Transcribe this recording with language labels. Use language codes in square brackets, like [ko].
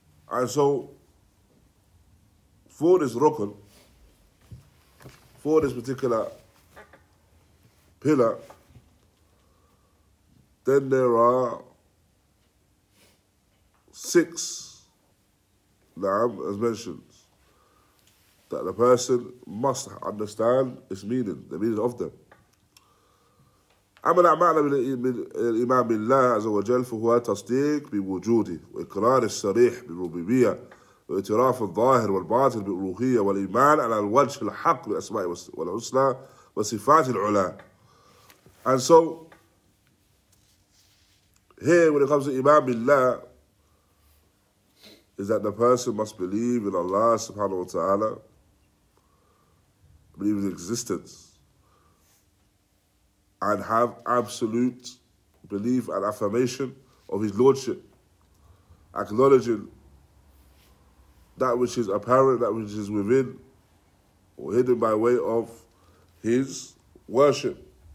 [en] And so, for this rukun, for this particular pillar, then there are six, as mentioned, that the person must understand its meaning, the meaning of them. [ar] عمل أعمال الإيمان بالله عز وجل فهو تصديق بوجوده وإقرار الصريح بالربوبية وإعتراف الظاهر والباطن بالألوهية والإيمان على الوجه الحق بالأسماء والحسنى وصفات العلا. [en] And so, here when it comes to إيمان بالله, is that the person must believe in Allah subhanahu wa ta'ala, believe in existence, and have absolute belief and affirmation of his lordship, acknowledging that which is apparent, that which is within, or hidden by way of his worship.